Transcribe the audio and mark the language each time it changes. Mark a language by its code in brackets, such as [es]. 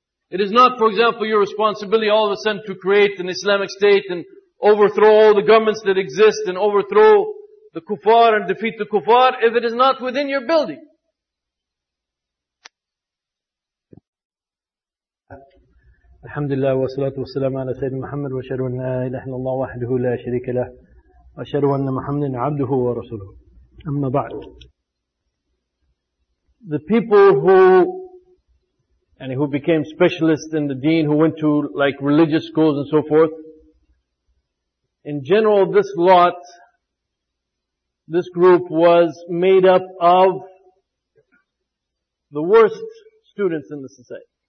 [en] It is not, for example, your responsibility all of a sudden to create an Islamic state and overthrow all the governments that exist and overthrow the kuffar and defeat the kuffar if it is not within your building. [ar] الحمد لله والصلاة والسلام على سيد محمد وأشهد أن لا إله إلا الله وحده لا شريك له وأشهد أن محمد عبده ورسوله أما بعد. [en] The people who became specialists in the deen, who went to like religious schools and so forth, in general this lot, this group was made up of the worst students in the society.